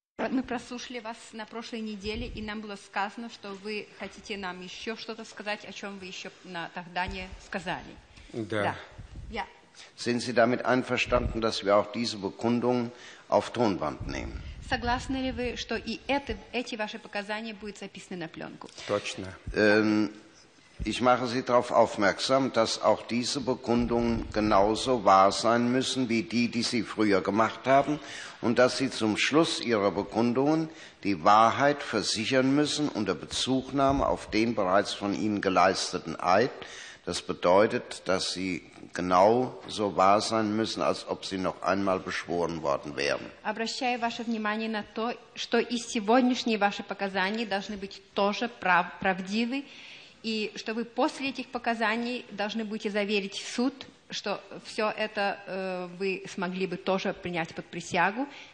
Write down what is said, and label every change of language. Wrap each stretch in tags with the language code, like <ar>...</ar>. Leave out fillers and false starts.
<ru>Мы прослушали вас на прошлой неделе, и нам было сказано, что вы хотите нам еще что-то сказать, о чем вы еще на тогда не сказали. Да.</ru> <de>Ja. Sind Sie damit einverstanden, dass wir auch diese Bekundung auf Tonband nehmen?</de> <ru>Согласны ли вы, что и это, эти ваши показания будут записаны на пленку? Точно.</ru> <de>Ich mache Sie darauf aufmerksam, dass auch diese Bekundungen genauso wahr sein müssen wie die, die Sie früher gemacht haben, und dass Sie zum Schluss Ihrer Bekundungen die Wahrheit versichern müssen unter Bezugnahme auf den bereits von Ihnen geleisteten Eid. Das bedeutet, dass Sie genauso wahr sein müssen, als ob Sie noch einmal beschworen worden wären.</de> <ru>Обращаю ваше внимание на то, что и сегодняшние ваши показания должны быть тоже правдивы. И что вы после этих показаний должны будете заверить суд, что все это вы смогли бы тоже принять под присягу.</ru>